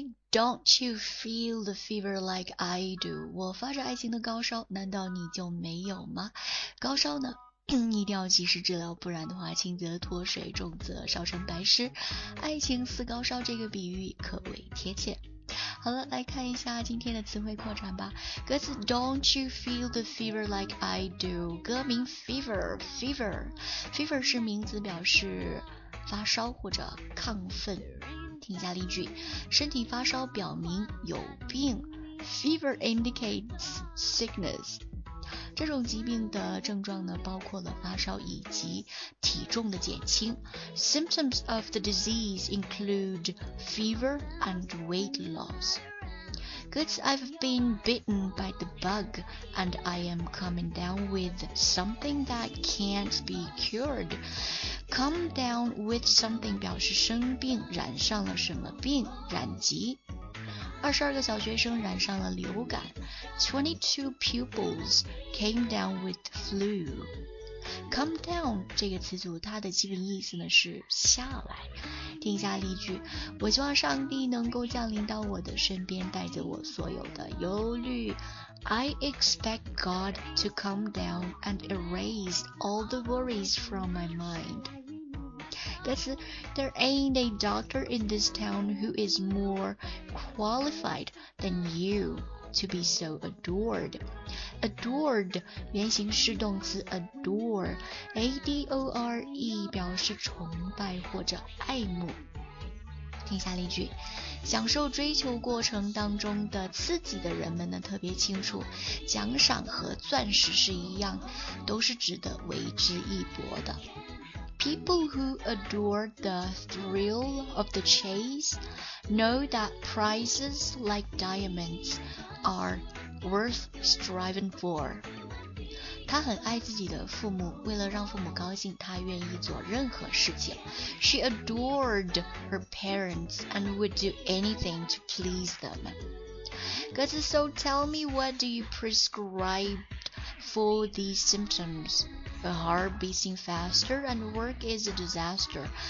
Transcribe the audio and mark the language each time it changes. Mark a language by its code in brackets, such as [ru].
[en] Don't you feel the fever like I do? [zh] 我发着爱情的高烧，难道你就没有吗？高烧呢，一定要及时治疗，不然的话轻则脱水，重则烧成白尸。爱情似高烧，这个比喻可谓贴切。好了，来看一下今天的词汇扩展吧。歌词 [en] Don't you feel the fever like I do? [zh] 歌名 Fever 是名词，表示发烧或者亢奋。听一下例句，身体发烧表明有病。 [en] Fever indicates sickness。 [zh] 这种疾病的症状呢，包括了发烧以及体重的减轻。 [en] Symptoms of the disease include fever and weight loss。 [zh] 歌词 [en] I've been bitten by the bug and I am coming down with something that can't be cured。 Come down with something [zh] 表示生病，染上了什么病，染疾。 22个小学生染上了流感。 [en] 22 pupils came down with flu。 Come down [zh] 这个词组它的基本意思呢是下来。听一下例句，我希望上帝能够降临到我的身边，带走我所有的忧虑。 [en] I expect God to come down and erase all the worries from my mind. [zh] 歌词 [en] There ain't a doctor in this town who is more qualified than you. to be so adored. [zh] Adored 原形是动词 adore, A-D-O-R-E 表示崇拜或者爱慕。听下例句，享受追求过程当中的刺激的人们呢，特别清楚，奖赏和钻石是一样，都是值得为之一搏的。 [en] People who adore the thrill of the chase know that prizes like diamonds are worth striving for. [zh] 他很爱自己的父母，为了让父母高兴，他愿意做任何事情。 [en] She adored her parents and would do anything to please them. [zh] 歌词 [en] So tell me what do you prescribe for these symptoms? A heart beating faster and work is a disaster.